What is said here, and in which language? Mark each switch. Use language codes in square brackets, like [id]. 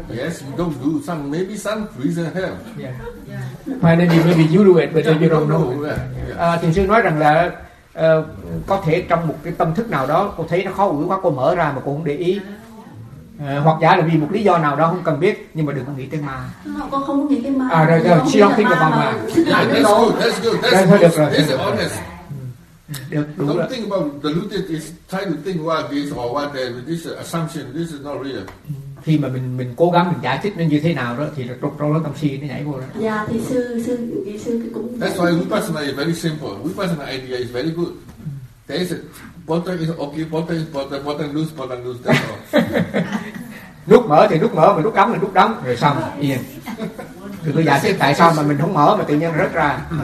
[en] Yes, you don't do some, maybe some reason here. Yeah. Finally, maybe you do it, but then you don't know. [vi] Thiền sư nói rằng là có thể trong một cái tâm thức nào đó cô thấy nó khó ủi quá, cô mở ra mà cô không để ý. Hoặc giả là vì một lý do nào đó không cần biết, nhưng mà đừng có nghĩ tới ma. Con không nghĩ tới ma. [en] She don't think about ma. That's good. That's honest. Don't think about the deluded is trying to think what this or what that. This assumption, this is not real. [vi] Khi mà mình cố gắng mình giải thích nó như thế nào đó thì trong đó tâm si nó nhảy vô đó. Dạ, thì sư cũng. [en] That's why vipassana is very simple. Vipassana idea is very good. There is a button is okay, button is button loose, that's all. [vi] Nút mở thì nút mở, mà nút đóng thì nút đóng, rồi xong, yên. Thì tôi giải thích tại sao mà mình không mở mà tự nhiên rớt ra.